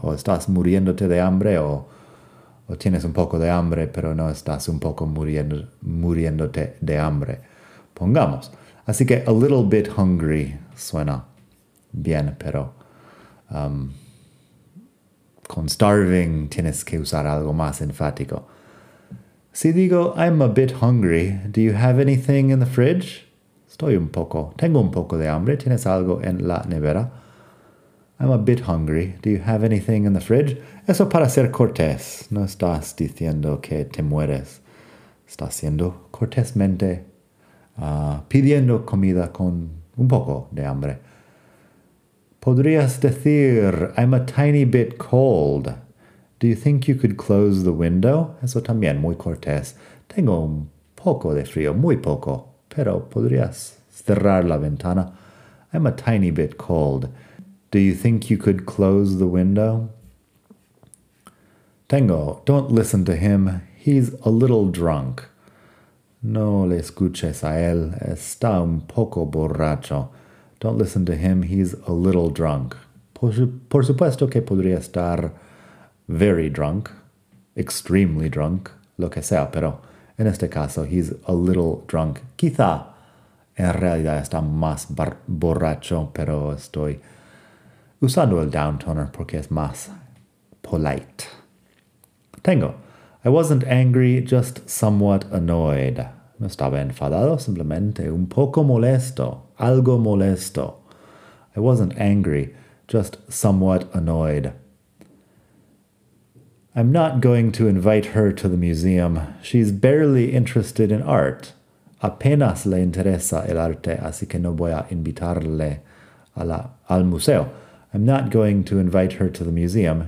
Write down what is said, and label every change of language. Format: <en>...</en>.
<es>O estás muriéndote de hambre o tienes un poco de hambre, pero no estás un poco muriéndote de hambre. Pongamos. Así que</es> <en>a little bit hungry</en> <es>suena bien, pero con starving tienes que usar algo más enfático. Si digo,</es> <en>I'm a bit hungry, do you have anything in the fridge?</en> <es>Estoy un poco, tengo un poco de hambre, ¿tienes algo en la nevera?</es> <en>I'm a bit hungry, do you have anything in the fridge?</en> <es>Eso para ser cortés, no estás diciendo que te mueres. Estás siendo cortésmente pidiendo comida con un poco de hambre. Podrías decir,</es> <en>I'm a tiny bit cold. Do you think you could close the window?</en> <es>Eso también, muy cortés. Tengo un poco de frío, muy poco. Pero podrías cerrar la ventana.</es> <en>I'm a tiny bit cold. Do you think you could close the window?</en> <es>Tengo,</es> <en>don't listen to him. He's a little drunk.</en> <es>No le escuches a él. Está un poco borracho.</es> <en>Don't listen to him, he's a little drunk.</en> <es>Por supuesto que podría estar</es> <en>very drunk, extremely drunk,</en> <es>lo que sea, pero en este caso,</es> <en>he's a little drunk.</en> <es>Quizá en realidad está más borracho, pero estoy usando el downtoner porque es más polite. Tengo,</es> <en>I wasn't angry, just somewhat annoyed.</en> <es>No estaba enfadado, simplemente un poco molesto, algo molesto.</es> <en>I wasn't angry, just somewhat annoyed. I'm not going to invite her to the museum. She's barely interested in art.</en> <es>Apenas le interesa el arte, así que no voy a invitarle al museo.</es> <en>I'm not going to invite her to the museum.</en>